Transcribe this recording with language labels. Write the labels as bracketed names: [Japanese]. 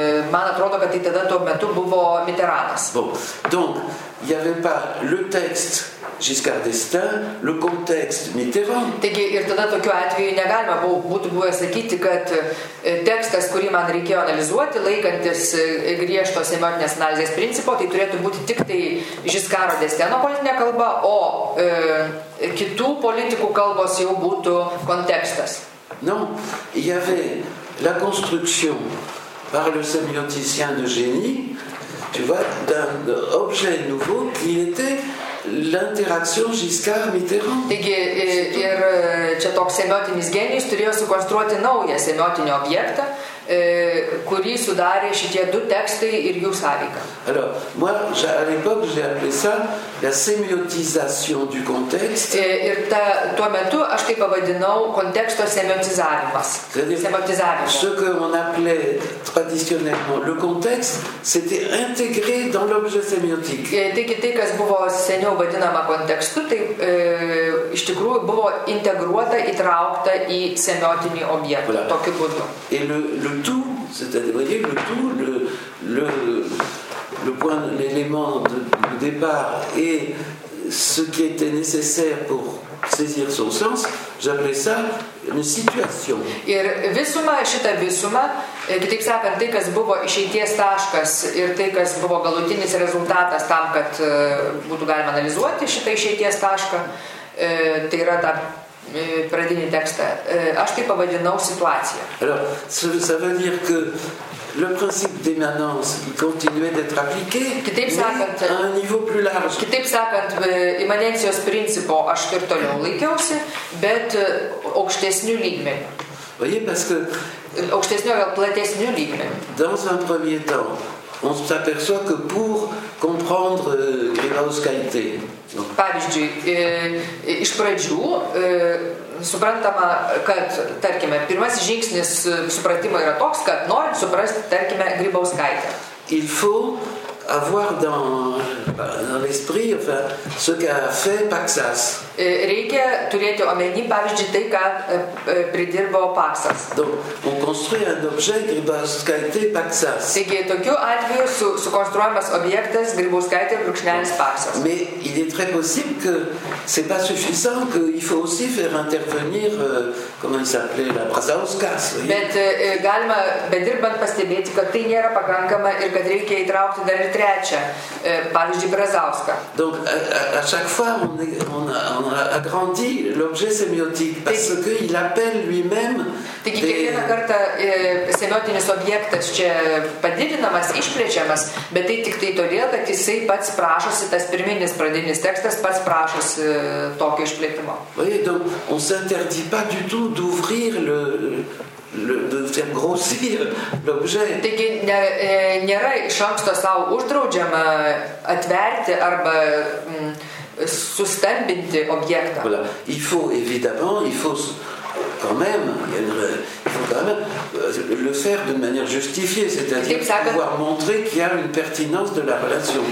[Lithuanian] Man atrodo, kad tai tada tuo metu buvo Mitteranas. [French] Bon. Donc, il y avait pas le texte Giscard d'Estaing, le contexte Mitterrand. [Lithuanian] Taigi, ir tada tokiu atveju negalima būtų buvo sakyti, kad tekstas, kurį man reikėjo analizuoti, laikantis griežto semiotinės analizės principo, tai turėtų būti tik tai Giscardo d'Estaingo politinė kalba, o kitų politikų kalbos jau būtų kontekstas. [French] Non, il y avait la construction par le sémioticien de génie, tu vois, d'un objet nouveau qui était l'interaction Giscard-Mitterrand. [Lithuanian] Taigi, ir čia toks semiotinis genijus turėjo sukonstruoti naują semiotinį objektą, kurį sudarė šitie du tekstai ir jų sąveika. [French] Alors, moi, à l'époque, j'ai appelé ça la sémiotisation du contexte. [Lithuanian] Ir tuo metu aš tai pavadinau konteksto semiotizavimas. Semiotizavimas. [French] Ce que on appelait traditionnellement le contexte, c'était intégré dans l'objet sémiotique. [Lithuanian] Taigi, tai, kas buvo seniau vadinama kontekstu, tai iš tikrųjų buvo integruota, įtraukta į semiotinį objektą. [French] Voilà. [Lithuanian] Tokiu būdu. [French] Et le tout, c'est-à-dire, vous voyez, le tout, le point, l'élément de départ et ce qui était nécessaire pour saisir son sens, j'appelais ça une situation. [Lithuanian] Ir visuma, šita visuma, kitaip sakant, tai, kas buvo išeities taškas ir tai, kas buvo galutinis rezultatas tam, kad būtų galima analizuoti šitą išeities tašką, tai yra ta pradinį tekstą. Aš tai pavadinau situaciją. [French] Alors, ça veut dire que le principe d'immanence continuait d'être appliqué, [Lithuanian] kitaip sakant, [French] mais à un niveau plus large. [Lithuanian] Kitaip sakant, imanencijos principo aš ir toliau laikiausi, bet aukštesnių lygmenių. [French] Voyez, parce que [Lithuanian] aukštesnių, gal platesnių lygmenių. [French] Dans un premier temps, on s'aperçoit que pour comprendre Grybauskaitė. [Lithuanian] Pavyzdžiui, iš pradžių suprantama, kad, tarkime, pirmasis žingsnis supratimo yra toks, kad norint suprasti, tarkime, Grybauskaitę. [French] Il faut avoir dans l'esprit, enfin, ce qu'a fait Paksas. [Lithuanian] Reikia turėti omeny, pavyzdžiui, tai, ką pridirbo Paksas. [French] Donc, on construit un objet Grybauskaitė Paksas. [Lithuanian] Taigi, tokiu atveju sukonstruojamas objektas Grybauskaitė brūkšnelis Paksas. [French] Mais il est très possible que c'est pas suffisant, qu'il faut aussi faire intervenir, comment il s'appelait, la Brazauskas. [Lithuanian] Bet galima, bedirbant, pastebėti, kad tai nėra pakankama ir kad reikia įtraukti dar ir trečią, pavyzdžiui, Brazauską. [French] Donc, à chaque fois, on a a grandi l'objet sémiotique parce qu'il appelle lui-même. [Lithuanian] Taigi, kiekvieną kartą semiotinis objektas čia padidinamas, išplečiamas, bet tai tik tai todėl, kad jisai pats prašosi, tas pirminis pradinis tekstas pats prašosi tokio išplėtimo. [French] Oui, donc on s'interdit pas du tout d'ouvrir le de faire grossir l'objet. [Lithuanian] Taigi, nėra iš anksto savo uždraudžiama atverti arba sustambinti objektą. [French] Voilà. Il faut évidemment, il faut quand même, il faut quand même le faire d'une manière justifiée, c'est-à-dire [Lithuanian] sakant, [French] pouvoir montrer qu'il y a une pertinence de la relation.